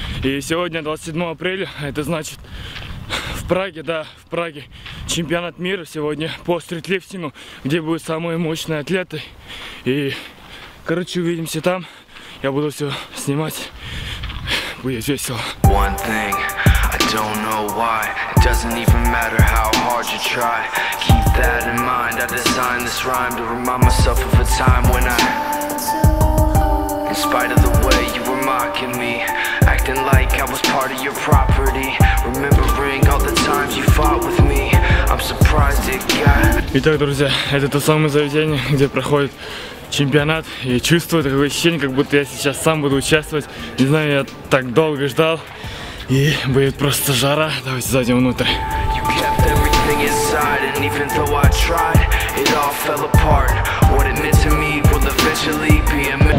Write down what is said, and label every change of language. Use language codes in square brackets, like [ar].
[ru] И сегодня 27 апреля, это значит в Праге, да, в Праге чемпионат мира сегодня по стритлифтингу, где будут самые мощные атлеты. И, короче, увидимся там, я буду все снимать, будет весело. [en] One thing, I don't know why, it doesn't even matter how hard you try. Keep that in mind, I designed this rhyme to remind myself of a time when I... In spite of the way you were mocking me, acting like I was part of your property, remembering all the times you fought with me, I'm surprised it got... [ru] Итак, друзья, это то самое заведение, где проходит чемпионат, и чувствую такое ощущение, как будто я сейчас сам буду участвовать. Не знаю, я так долго ждал, и будет просто жара. Давайте зайдем внутрь. [en] You kept everything inside, and even though I tried, it all fell apart. What it meant to me will eventually be a...